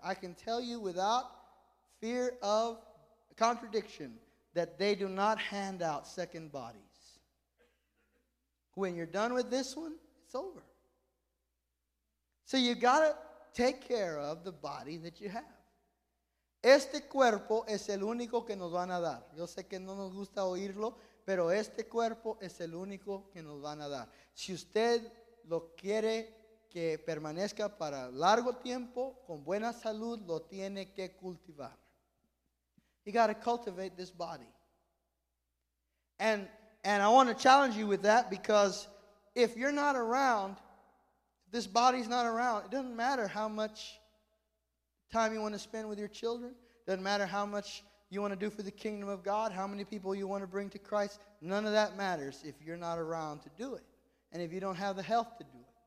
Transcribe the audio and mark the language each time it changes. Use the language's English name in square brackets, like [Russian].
[English] I can tell you without fear of contradiction that they do not hand out second bodies. When you're done with this one, it's over. So you got to take care of the body that you have. [Spanish] Este cuerpo es el único que nos van a dar. Yo sé que no nos gusta oírlo, pero este cuerpo es el único que nos van a dar. Si usted lo quiere que permanezca para largo tiempo, con buena salud, lo tiene que cultivar. [English] You got to cultivate this body. And I want to challenge you with that, because if you're not around, this body's not around, it doesn't matter how much time you want to spend with your children, doesn't matter how much you want to do for the kingdom of God, how many people you want to bring to Christ, none of that matters if you're not around to do it and if you don't have the health to do it.